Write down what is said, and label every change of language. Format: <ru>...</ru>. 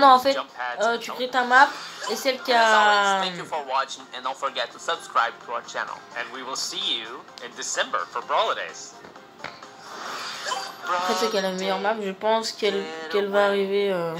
<fr>non, en fait, tu crées ta map et celle qui a.</fr> <en>Thank you for watching and don't forget to subscribe to our channel. And we will see you in December for Brawlidays.</en> <fr>En fait, c'est qu'elle a la meilleure map, je pense qu'elle va arriver.</fr>